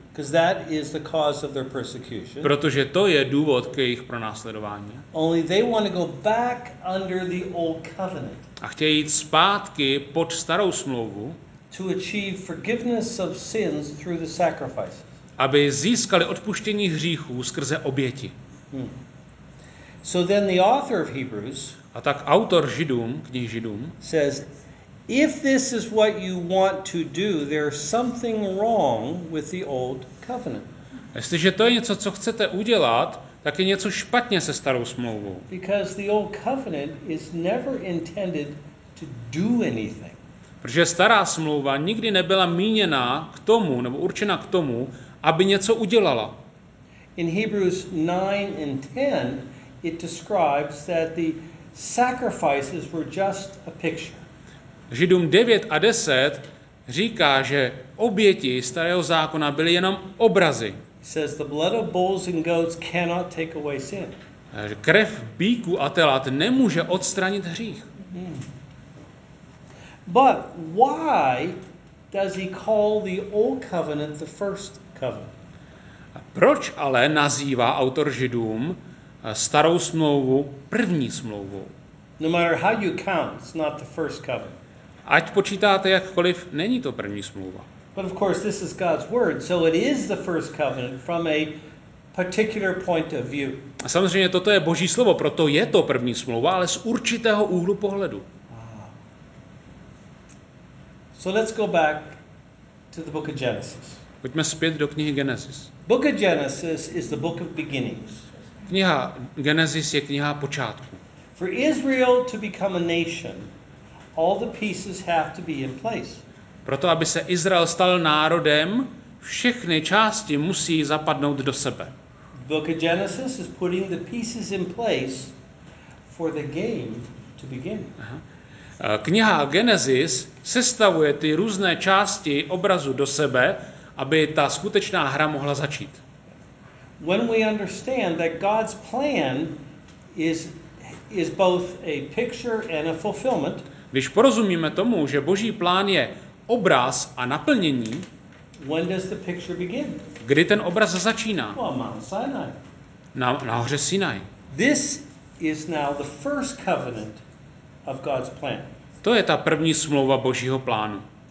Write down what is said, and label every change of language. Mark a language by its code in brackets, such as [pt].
[en] Because that is the cause of their persecution. [cs] Protože to je důvod k jejich pronásledování. [en] Only they want to go back under the old covenant. [cs] A chtějí jít zpátky pod starou smlouvu. [en] To achieve forgiveness of sins through the sacrifice. [cs] Aby získali odpuštění hříchů skrze oběti. [en] So then the author of Hebrews, [cs] a tak autor Židům, knihy Židům, [en] says, if this is what you want to do, there's something wrong with the old covenant. [cs] Jestliže to je něco, co chcete udělat, tak je něco špatně se starou smlouvou. [en] Because the old covenant is never intended to do anything. [cs] Protože stará smlouva nikdy nebyla míněna k tomu, nebo určena k tomu, aby něco udělala. [en] In Hebrews 9 and 10, it describes that the sacrifices were just a picture. [cs] Židům 9 a 10 říká, že oběti starého zákona byly jenom obrazy. [en] Says the blood of bulls and goats cannot take away sin. [cs] Krev býků a telat nemůže odstranit hřích. [en] But why does he call the old covenant the first covenant? [cs] Proč ale nazývá autor Židům starou smlouvu první smlouvou? [en] No matter how you count, it's not the first covenant. [cs] Ať počítáte jakkoliv, není to první smlouva. [en] But of course this is God's word, so it is the first covenant from a particular point of view. [cs] A samozřejmě toto je Boží slovo, proto je to první smlouva, ale z určitého úhlu pohledu. [en] So let's go back to the book of Genesis. [cs] Pojďme zpět do knihy Genesis. [en] Book of Genesis is the book of beginnings. [cs] Kniha Genesis je kniha počátku. [en] For Israel to become a nation, all the pieces have to be in place. [cs] Proto aby se Izrael stal národem, všechny části musí zapadnout do sebe. [en] Book of Genesis is putting the pieces in place for the game to begin. [cs] Kniha Genesis sestavuje ty různé části obrazu do sebe, aby ta skutečná hra mohla začít. [en] When we understand that God's plan is both a picture and a fulfillment, [cs] když porozumíme tomu, že Boží plán je obraz a naplnění, [en] when does the picture begin? [cs] Kdy ten obraz začíná? [en] Well, Mount Sinai. [cs] Na hoře Sinai. [en] This is now the first covenant of God's plan. [cs] To je ta první smlouva Božího plánu.